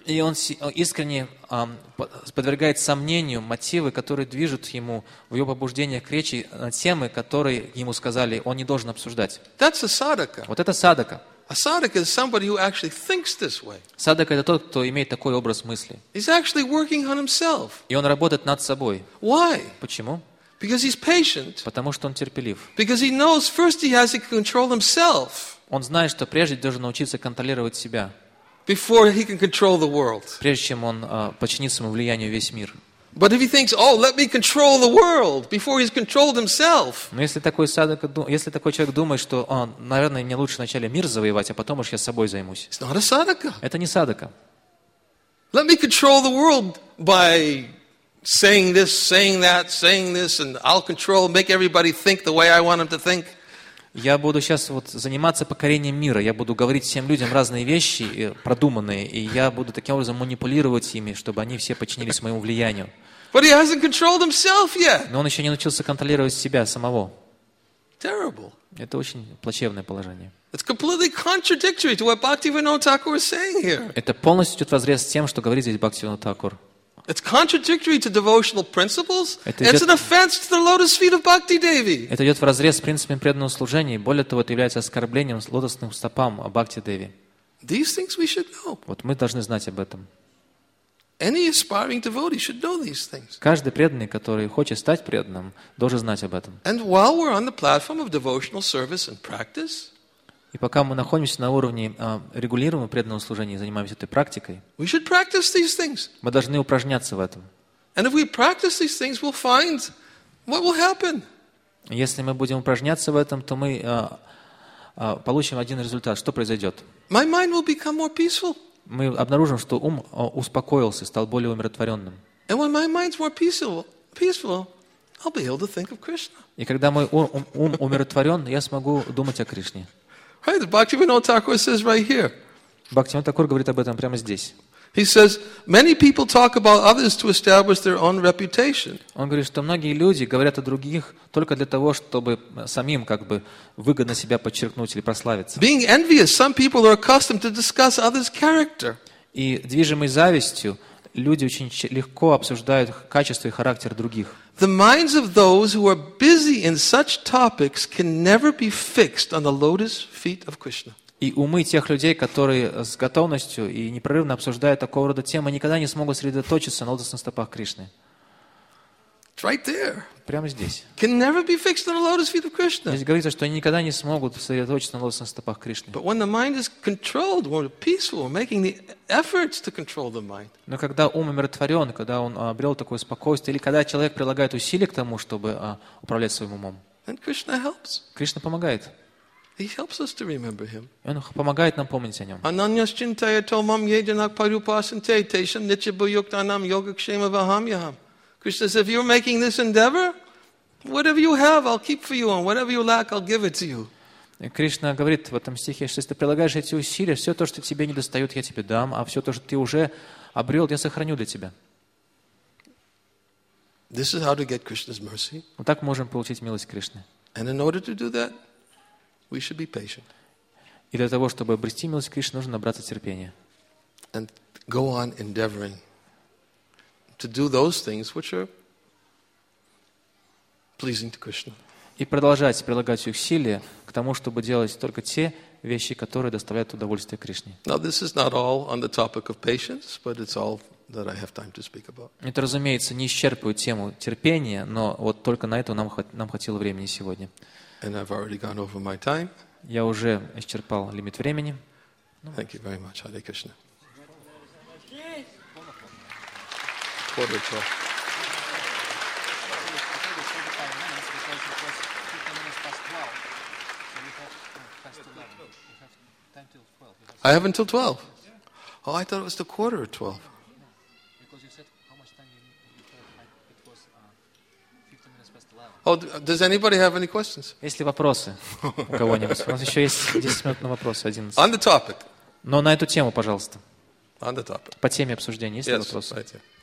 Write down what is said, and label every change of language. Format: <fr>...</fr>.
<ru>И он искренне подвергает сомнению мотивы, которые движут ему в его побуждениях к речи, темы, которые ему сказали, он не должен обсуждать.</ru> <en>That's a sadhaka.</en> <ru>Вот это садака.</ru> <en>A sadhaka is somebody who actually thinks this way.</en> <ru>Садака это тот, кто имеет такой образ мысли.</ru> <en>He's actually working on himself.</en> <ru>И он работает над собой.</ru> <en>Why?</en> <ru>Почему?</ru> <en>Because he's patient.</en> <ru>Потому что он терпелив.</ru> <en>Because he knows first he has to control himself.</en> <ru>Он знает, что прежде должен научиться контролировать себя.</ru> <en>Before he can control the world.</en> <ru>Прежде чем он подчинит своему влиянию весь мир.</ru> <en>But if he thinks, "Oh, let me control the world," before he's controlled himself.</en> <ru>Но если такой человек думает, что, наверное, мне лучше вначале мир завоевать, а потом уж я собой займусь.</ru> <en>It's not a sadhaka.</en> <ru>Это не садака.</ru> <en>Let me control the world by saying this, saying that, saying this, and I'll control, make everybody think the way I want them to think.</en> <ru>Я буду сейчас вот заниматься покорением мира. Я буду говорить всем людям разные вещи, продуманные, и я буду таким образом манипулировать ими, чтобы они все подчинились моему влиянию.</ru> <en>But he hasn't controlled himself yet.</en> <ru>Но он еще не научился контролировать себя самого.</ru> <en>Terrible.</en> <ru>Это очень плачевное положение.</ru> <en>It's completely contradictory to what Bhaktivinoda Thakur is saying here.</en> <ru>Это полностью идет вразрез с тем, что говорит здесь Бхактивинода Тхакур.</ru> <en>It's contradictory to devotional principles. It's an offense to the lotus feet of Bhakti Devi.</en> <ru>Это идет вразрез с принципами преданного служения, и более того, это является оскорблением лотосным стопам Бхакти Деви.</ru> <en>These things we should know.</en> <ru>Вот мы должны знать об этом.</ru> <en>Any aspiring devotee should know these things.</en> <ru>Каждый преданный, который хочет стать преданным, должен знать об этом.</ru> <en>And while we're on the platform of devotional service and practice,</en> <ru>и пока мы находимся на уровне регулируемого преданного служения и занимаемся этой практикой,</ru> <en>we should practice these things.</en> <ru>Мы должны упражняться в этом.</ru> <en>And if we practice these things, we'll find what will happen.</en> <ru>Если мы будем упражняться в этом, то мы получим один результат. Что произойдет?</ru> <en>My mind will become more peaceful.</en> <ru>Мы обнаружим, что ум успокоился, стал более умиротворенным.</ru> <en>And when my mind's more peaceful, I'll be able to think of Krishna.</en> <ru>И когда мой ум умиротворен, я смогу думать о Кришне.</ru> <en>Right, Bhaktivinoda Thakur says right here.</en> <ru>Бхактивинода Тхакур говорит об этом прямо здесь.</ru> <en>He says many people talk about others to establish their own reputation.</en> <ru>Он говорит, что многие люди говорят о других только для того, чтобы самим как бы выгодно себя подчеркнуть или прославиться.</ru> <en>Being envious, some people are accustomed to discuss others' character.</en> <ru>И движимые завистью люди очень легко обсуждают качество и характер других.</ru> <en>The minds of those who are busy in such topics can never be fixed on the lotus feet of Krishna.</en> <ru>И умы тех людей, которые с готовностью и непрерывно обсуждают такого рода темы, никогда не смогут сосредоточиться на лотосных стопах Кришны.</ru> <en>right there.</en> <ru>Прямо здесь.</ru> <en>Can never be fixed on the lotus feet of Krishna.</en> <ru>Здесь говорится, что они никогда не смогут сосредоточиться на лотосных стопах Кришны.</ru> <en>But when the mind is controlled, when peaceful, making the efforts to control the mind.</en> <ru>Но когда ум умиротворен, когда он обрел такое спокойствие, или когда человек прилагает усилия к тому, чтобы управлять своим умом.</ru> <en>Then Krishna helps.</en> <ru>Кришна помогает.</ru> <en>He helps us to remember him.</en> <ru>Он помогает нам помнить о нем.</ru> <sa>Ананьяс чинтая томам еджанак парюпасанте тешам ничибуюктанам йогакшема вахамьяхам.</sa> <en>Krishna says, if you're making this endeavor, whatever you have, I'll keep for you, and whatever you lack, I'll give it to you.</en> <ru>Кришна говорит в этом стихе, что если ты прилагаешь эти усилия, все то, что тебе не достает, я тебе дам, а все то, что ты уже обрел, я сохраню для тебя.</ru> <en>This is how to get Krishna's mercy.</en> <ru>Вот так можем получить милость Кришны.</ru> <en>And in order to do that, we should be patient.</en> <ru>И для того, чтобы обрести милость Кришны, нужно набраться терпения.</ru> <en>And go on endeavoring. To do those things which are pleasing to Krishna.</en> <ru>И продолжать прилагать усилия к тому, чтобы делать только те вещи, которые доставляют удовольствие Кришне.</ru> <en>Now this is not all on the topic of patience, but it's all that I have time to speak about.</en> <ru>Это, разумеется, не исчерпывает тему терпения, но вот только на это нам хватило времени сегодня.</ru> <en>And I've already gone over my time.</en> <ru>Я уже исчерпал лимит времени.</ru> <en>Thank you very much, Hare Krishna. I have until 12. Oh, I thought it was the quarter of 12. Because you said how much time you need. It was 15 minutes past 11. Oh, does anybody have any questions?</en> <ru>Есть ли вопросы у кого-нибудь? У нас еще есть 10 минут на вопросы.</ru> <en>11. On the topic.</en> <ru>Но на эту тему, пожалуйста.</ru> <en>On the topic.</en> <ru>По теме обсуждения есть ли вопросы?</ru> <en>Yes, right here.</en>